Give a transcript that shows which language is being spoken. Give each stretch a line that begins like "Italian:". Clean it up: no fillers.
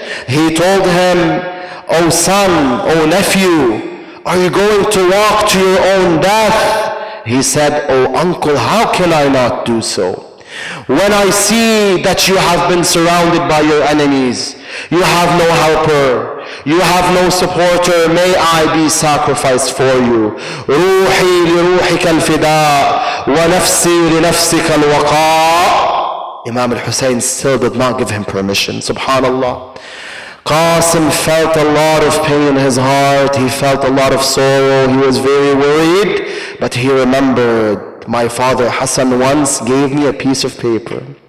English: He told him, oh son, oh nephew, are you going to walk to your own death? He said, oh uncle, how can I not do so? When I see that you have been surrounded by your enemies, you have no helper, You have no supporter, may I be sacrificed for you.
Arabic: روحي لروحك الفداء ونفسي لنفسك الوقاء.
English: Imam al-Hussein still did not give him permission. Subhanallah. Qasim felt a lot of pain in his heart. He felt a lot of sorrow. He was very worried. But he remembered, my father Hassan once gave me a piece of paper.